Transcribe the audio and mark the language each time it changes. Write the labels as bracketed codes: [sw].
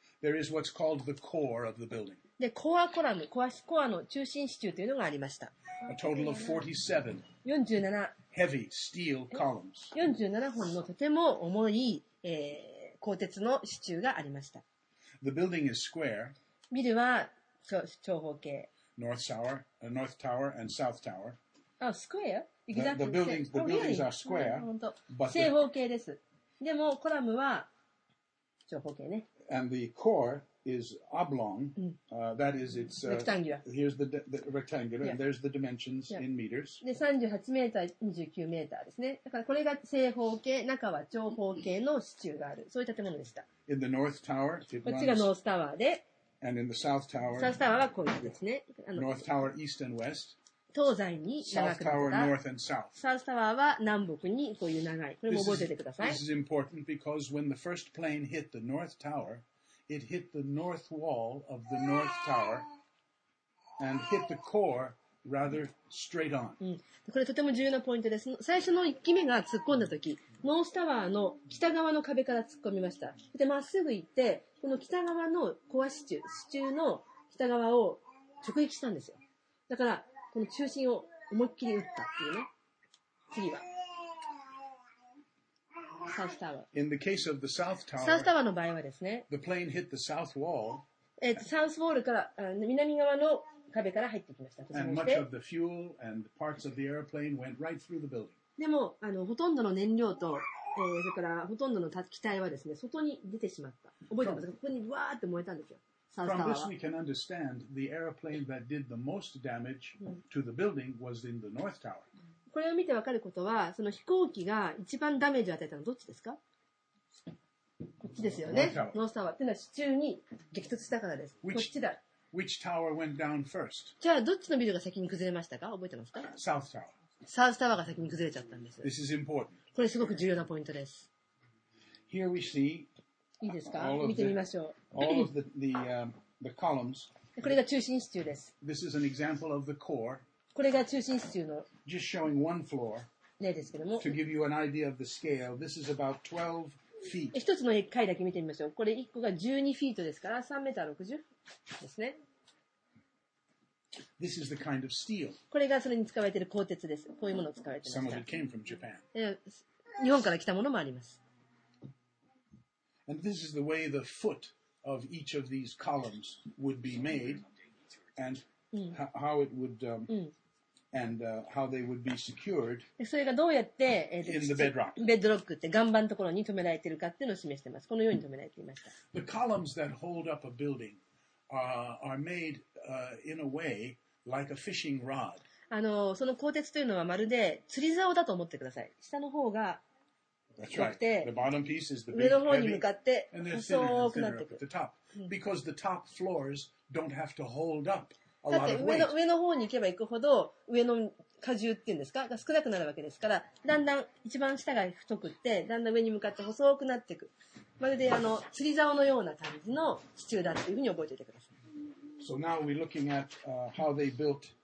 [en] There is what's called the core of the building. [ja] で、コアコラム、コアの中心支柱というのがありました。 [en] A total of 47 heavy steel columns. [ja] 47本のとても重い、鋼鉄の支柱がありました。 [en] The building is square. [ja] ビルは長方形。 [en] North tower, north tower and south tower. [ja] あ、スクエア。 [en] Exactly. The buildings are square, but [ja] 正方形です。でもコラムは長方形ね。 [en] And the core is oblong. That is its rectangular. Here's the rectangular, and there's the dimensions in meters. [ja] で38メーター29メーターですね。だからこれが正方形、中は長方形の支柱がある、そういう建物でした。 [en] In the north tower, [ja] こっちがノースタワーで、 [en] and in the south tower, [ja] サウスタワーはこういうですね。 [en] North tower east and west. [ja] 東西に長くなった [en] south tower, south. [ja] サウスタワーは南北にこういう長い。これも覚えててください。 [en] This is important because when the first plane hit the north tower, it hit the north wall of the north tower and hit the core rather straight on.、 [ja] うん、これとても重要なポイントです。最初の1機目が突っ込んだ時、ノースタワーの北側の壁から突っ込みました。で、まっすぐ行って、この北側のコア支柱、支柱の北側を直撃したんですよ。だから、この中心を思いっきり打ったっていうね。次は。サウスタワー。 In the case of the south tower, サウスタワーの場合はですね、 the plane hit the south wall, サウスウォールから、南側の壁から入ってきました。 And much of the fuel and parts of the airplane went right through the building. でも、ほとんどの燃料と、それからほとんどの機体はですね、外に出てしまった。覚えてますか？ここにわーって燃えたんですよ。 [en] From this we can understand the airplane that did the most damage to the building was in the North Tower. [ja] これを見てわかることは、その飛行機が一番ダメージを与えたのはどっちですか？こっちですよね。North Tower。というのは支柱に激突したからです。こっちだ。 [en] Which tower went down first? [ja] じゃあどっちのビルが先に崩れましたか？覚えてますか？South Tower。 South Tower が先に崩れちゃったんです。 [en] This is important. [ja] これすごく重要なポイントです。 [en] Here we see. [ja] いいですか？見てみましょう。 [en] All of the columns. [ja] これが中心支柱です。 [en] This is an example of the core. [ja] これが中心支柱の。 [en] Just showing one floor. [ja] ねですけども。 [en] To give you an idea of the scale, this is about 12 feet. [ja] 一つの階だけ見てみましょう。これ1個が12フィートですから、3メーター60ですね。 [en] This is the kind of steel. [ja] これがそれに使われている鋼鉄です。こういうものを使われています。 [en] Some of it came from Japan. [ja] 日本から来たものもあります。 [en] And this is the way the foot of each of these columns would be made, and how it would, and how they would be secured. [ja] それがどうやって、 [en] in the bedrock. [ja] ベッドロックって岩盤のところに留められているかっていうのを示しています。このように留められていました。 [en] The columns that hold up a building are made in a way like a fishing rod. [ja] その鋼鉄というのはまるで釣り竿だと思ってください。下の方が [en] That's right. The bottom piece is the big, heavy, and they're thinner and thinner at the top. Because the top floors don't have to hold up a lot of weight. [ja] 上の方に行けば行くほど上の荷重っていうんですかが少なくなるわけですから、だんだん一番下が太くって、だんだん上に向かって細くなっていく。まるで釣り竿のような感じの支柱だっていうふうに覚えておいてください。 [en] So now we're looking at how they built